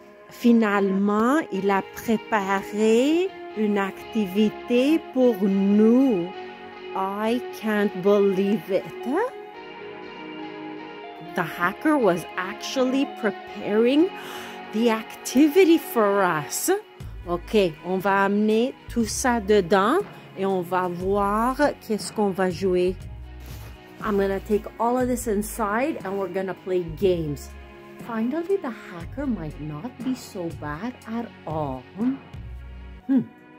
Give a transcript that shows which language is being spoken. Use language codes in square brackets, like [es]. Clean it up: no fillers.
[fr] Finalement, il a préparé une activité pour nous. [en] I can't believe it. The hacker was actually preparing the activity for us. [fr] OK, on va amener tout ça dedans et on va voir qu'est-ce qu'on va jouer. [en] I'm gonna take all of this inside and we're gonna play games. Finally, the hacker might not be so bad at all.